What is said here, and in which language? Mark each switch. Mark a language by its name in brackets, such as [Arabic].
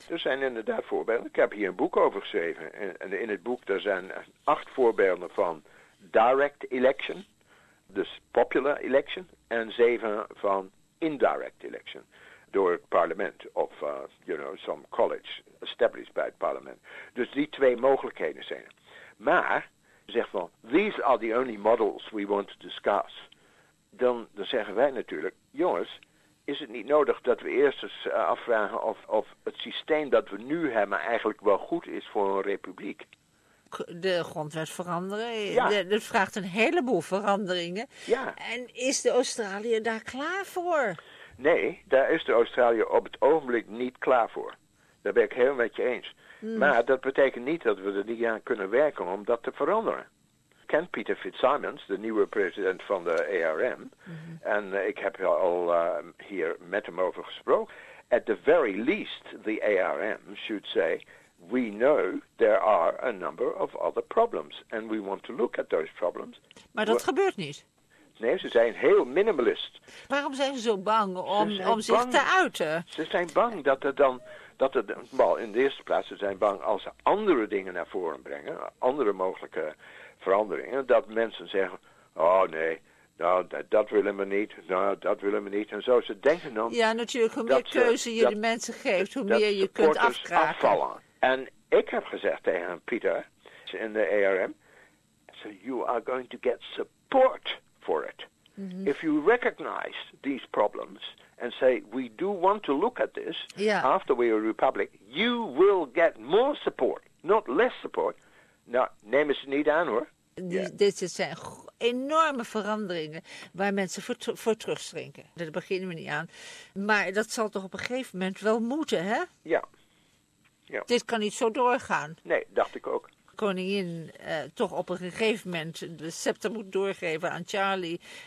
[Dutch] Er zijn inderdaad voorbeelden. Ik heb hier een boek over geschreven. En in het boek er zijn 8 voorbeelden van [English] direct election. [Dutch] Dus [English] popular election [Dutch] en 7 van [English] indirect election [Dutch] door het parlement of [English] some college established by [Dutch] het parlement. Dus die twee mogelijkheden zijn er. Maar, zeg van, [English] these are the only models we want to discuss. [Dutch] Dan zeggen wij natuurlijk, jongens, is het niet nodig dat we eerst eens afvragen of het systeem dat we nu hebben eigenlijk wel goed is voor een republiek? De grondwet veranderen. Dat vraagt een heleboel veranderingen. Ja. En is de Australië daar klaar voor? Nee, daar is de Australië op het ogenblik niet klaar voor. Daar ben ik heel met je eens. Maar dat betekent niet dat we er niet aan kunnen werken om dat te veranderen. Ik ken Peter Fitzsimons, de nieuwe president van de ARM. En ik heb al hier met hem over gesproken. [English] At the very least, the ARM should say, we know there are a number of other problems and we want to look at those problems. [Dutch] Maar dat gebeurt niet. Nee, ze zijn heel minimalist. Waarom zijn ze zo bang om zich te uiten? Ze zijn bang in de eerste plaats, ze zijn bang als ze andere dingen naar voren brengen, andere mogelijke veranderingen, dat mensen zeggen, oh nee, nou, dat willen we niet. Nou, dat willen we niet. En zo, ze denken dan. Ja, natuurlijk, hoe meer keuze je de mensen geeft, hoe meer je kunt afkraken. En ik heb gezegd tegen Peter in de ARM, [English] so you are going to get support for it. If you recognize these problems and say, we do want to look at this after we are a republic, you will get more support, not less support. [Dutch] Nou, neem het niet aan hoor. Dit zijn enorme veranderingen waar mensen voor terugschrinken. Daar beginnen we niet aan. Maar dat zal toch op een gegeven moment wel moeten, hè? Ja. Dit kan niet zo doorgaan. Nee, dacht ik ook. Koningin toch op een gegeven moment de scepter moet doorgeven aan Charlie.